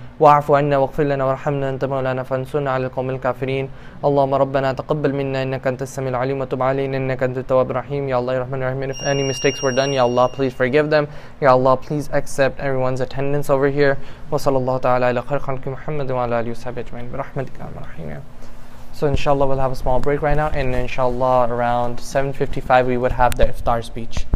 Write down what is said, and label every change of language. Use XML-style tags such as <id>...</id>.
<ar>واعف عنا واغفر لنا وارحمنا انت مولانا فانصرنا على القوم الكافرين. اللهم ربنا تقبل منا انك انت السميع العليم وتب علينا انك انت التواب الرحيم. يا الله الرحمن الرحيم.</ar> <en>If any mistakes were done,</en> <ar>يا الله</ar> <en>please forgive them. يا الله please accept everyone's attendance over here.</en> <ar>وصلى الله تعالى على خير خلق محمد وعلى اله وصحبه اجمعين برحمتك يا رحيم.</ar> <en>So inshallah we'll have a small break right now, and inshallah around 7:55 we would have the iftar speech.</en>